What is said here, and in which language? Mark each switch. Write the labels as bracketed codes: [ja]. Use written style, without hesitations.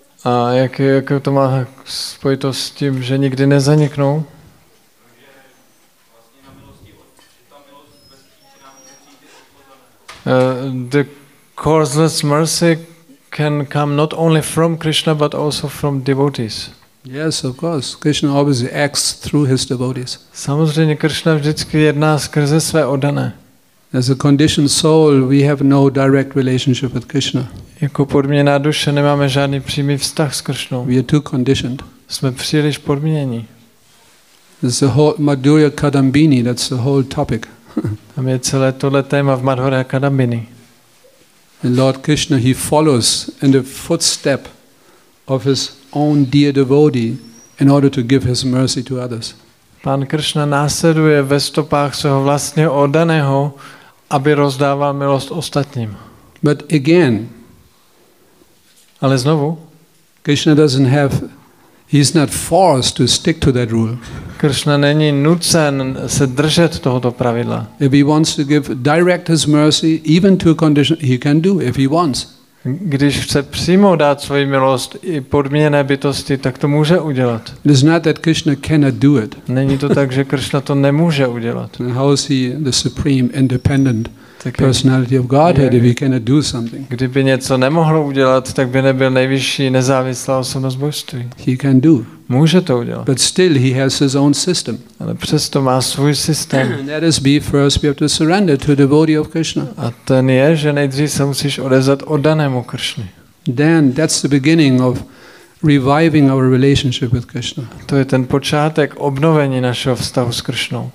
[cs] A jak to má spojitost s tím, že nikdy nezaniknou? [en] The causeless mercy can come not only from Krishna but also from devotees. Yes, of course. Krishna always acts through his devotees. [cs] Samozřejmě Krishna vždycky jedná skrze své oddané. [en] As a conditioned soul, we have no direct relationship with Krishna. [cs] Jako podmíněná duše nemáme žádný přímý vztah s Krishnou. [en] We are too conditioned. [cs] Jsme příliš podmínění. [en] This whole Madhurya Kadambini, that's the whole topic. [cs] Tam je celé tohle téma v Madhurya Kadambini. [en] And Lord Krishna, he follows in the footstep of his own dear devotee in order to give his mercy to others. [cs] Pán Krishna následuje ve stopách svého vlastního oddaného, aby rozdával milost ostatním. [en] But again, [cs] ale znovu, [en] Krishna doesn't have, he's not forced to stick to that rule. [cs] Krishna není nucen se držet tohoto pravidla. [en] If he wants to give direct his mercy even to a condition, he can do if he wants. [cs] Když chce přímo dát svoji milost i podmíněné bytosti, tak to může udělat. [en] It is not that Krishna cannot do it. [cs] Není to tak, že Krishna to nemůže udělat. [en] How is he the supreme independent personality of Godhead if he cannot do something? [cs] Kdyby něco nemohlo udělat, tak by nebyl nejvyšší nezávislá osobnost božství. [en] He can do. [cs] Může to udělat. [en] But still he has his own system. [cs] Ale přesto má svůj systém. [en] That is, be first we have to surrender to the devotee of Krishna. [cs] A ten je, že nejdřív se musíš odezvat oddanému Krishna. [en] Then that's the beginning of reviving our relationship with Krishna. [cs] To je ten počátek obnovení našeho vztahu s Krishnou.